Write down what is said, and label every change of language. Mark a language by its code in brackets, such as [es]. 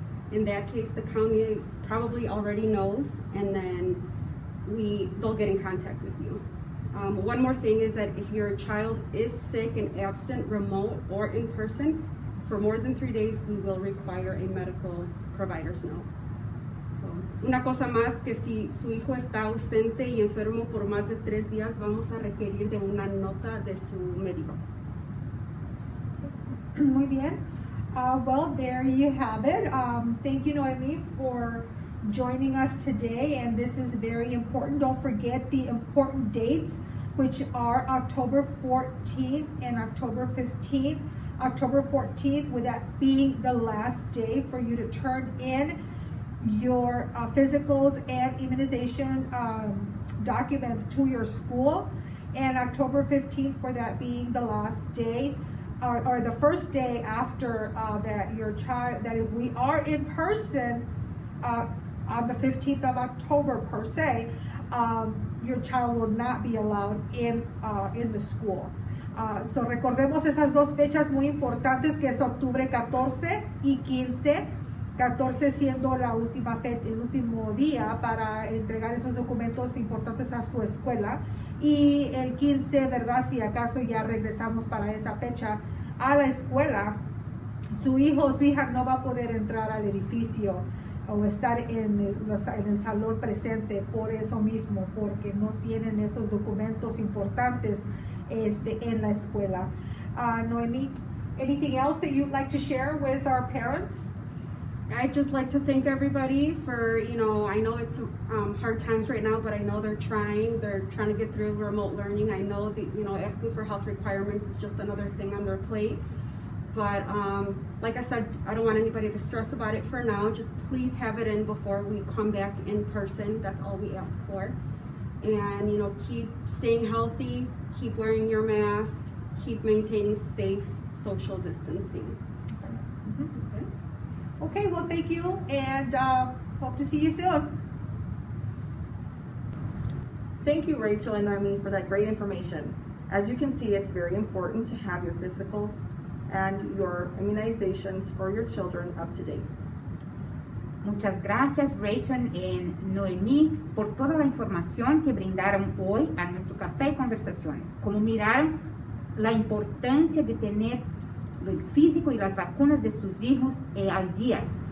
[en] In that case, the county probably already knows, and then they'll get in contact with you. One more thing is that if your child is sick and absent, remote or in person, for more than 3 days, we will require a medical provider's note. [es] So, una cosa más, que si su hijo está ausente y enfermo por más de 3 días, vamos a requerir de una nota de su médico. Muy bien. [en] Well, there you have it. Thank you, Noemi, for joining us today, and this is very important. Don't forget the important dates, which are October 14th and October 15th. October 14th, with that being the last day for you to turn in your physicals and immunization documents to your school, and October 15th for that being the last day, or the first day after that your child, that if we are in person on the 15th of October per se, your child will not be allowed in the school. [es] So recordemos esas dos fechas muy importantes, que es octubre 14 y 15, 14 siendo la última el último día para entregar esos documentos importantes a su escuela, y el 15, ¿verdad?, si acaso ya regresamos para esa fecha a la escuela, su hijo o su hija no va a poder entrar al edificio o estar en el salón presente por eso mismo, porque no tienen esos documentos importantes en la escuela. [en] Noemi, anything else that you'd like to share with our parents? I'd just like to thank everybody for, I know it's hard times right now, but I know they're trying to get through remote learning. I know that, asking for health requirements is just another thing on their plate. But like I said, I don't want anybody to stress about it for now. Just please have it in before we come back in person. That's all we ask for. And, keep staying healthy, keep wearing your mask, keep maintaining safe social distancing. Mm-hmm. Okay. Okay, well, thank you, and hope to see you soon. Thank you, Rachel and Noemi, for that great information. As you can see, it's very important to have your physicals and your immunizations for your children up to date. [es] Muchas gracias, Rachel y Noemi, por toda la información que brindaron hoy a nuestro café y conversaciones. Como mirar la importancia de tener el físico y las vacunas de sus hijos al día.